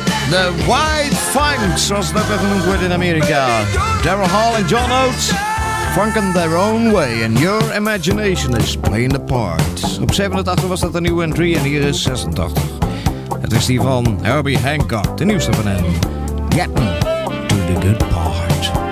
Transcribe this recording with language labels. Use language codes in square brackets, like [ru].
[nl] The White Fangs, zoals dat wel genoemd wordt in Amerika. Daryl Hall en John Oates. [en] Funkin' their own way and your imagination is playing the part. [nl] Op 87 was dat de nieuwe entry en hier is 86. Het is die van Herbie Hancock, de nieuwste van hem. [en] Getting to the good part.